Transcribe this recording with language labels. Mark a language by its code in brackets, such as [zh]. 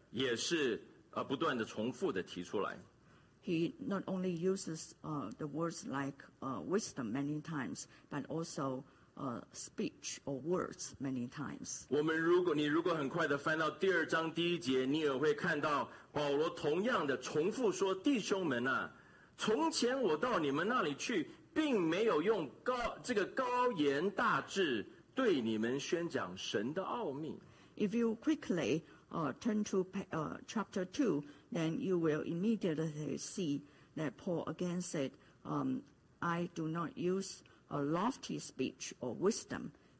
[zh] 他用了这个智慧，然后呢，用了言语分开的，也是不断的重复的提出来。 [en] He not only uses the words like wisdom many times, but also speech or words many times. [zh] 你如果很快的翻到第二章第一节，你也会看到保罗同样的重复说：“弟兄们啊，从前我到你们那里去，并没有用高这个高言大志对你们宣讲神的奥秘。” [en] If you quickly turn to chapter 2, then you will immediately see that Paul again said, "I do not use a lofty speech or wisdom."